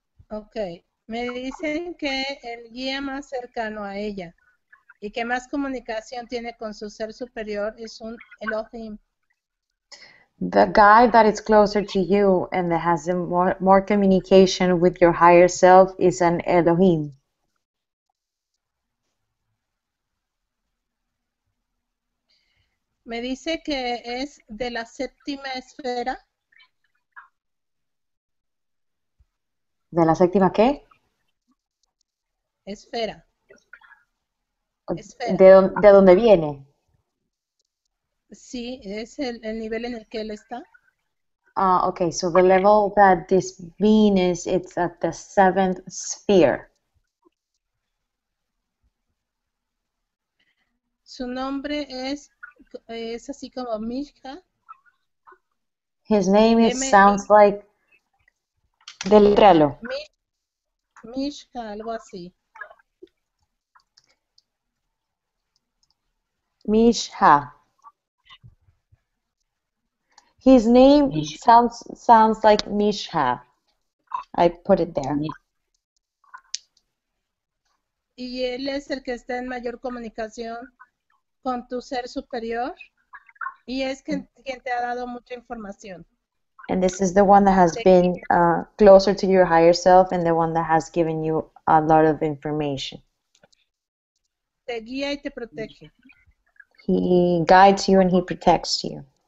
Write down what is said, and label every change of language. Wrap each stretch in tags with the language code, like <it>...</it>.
<es>Okay, me dicen que el guía más cercano a ella y que más comunicación tiene con su ser superior es un Elohim.</es> <en>The guy that is closer to you and that has more communication with your higher self is an Elohim.</en> <es>Me dice que es de la séptima esfera. ¿De la séptima qué? Esfera. ¿De dónde viene? Sí, es el nivel en el que él está. Ah, okay.</es> <en>So the level that this being is, it's at the seventh sphere.</en> <es>Su nombre es así como Mishka.</es> <en>His name sounds like...</en> <es>Deletréalo. Mishka, algo así. Mishka.</es> <en>His name sounds like Mishka. I put it there.</en> <es>¿Y él es el que está en mayor comunicación con tu ser superior? Y es quien te ha dado mucha información.</es> <en>And this is the one that has been closer to your higher self and the one that has given you a lot of information.</en> <es>Te guía y te protege.</es> <en>He guides you and he protects you.</en>